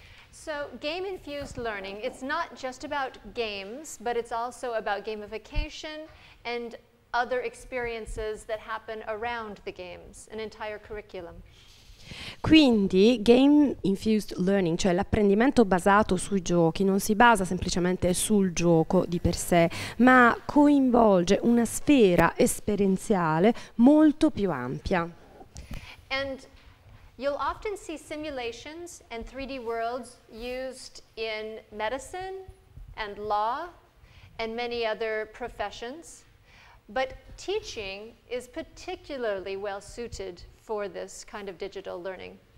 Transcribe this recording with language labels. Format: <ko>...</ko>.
<en>So game infused learning, it's not just about games, but it's also about gamification and other experiences that happen around the games, an entire curriculum.</en> <it>Quindi game infused learning, cioè l'apprendimento basato sui giochi, non si basa semplicemente sul gioco di per sé, ma coinvolge una sfera esperienziale molto più ampia.</it> <en>And you'll often see simulations and 3D worlds used in medicine and law and many other professions, but teaching is particularly well suited for this kind of digital learning.</en>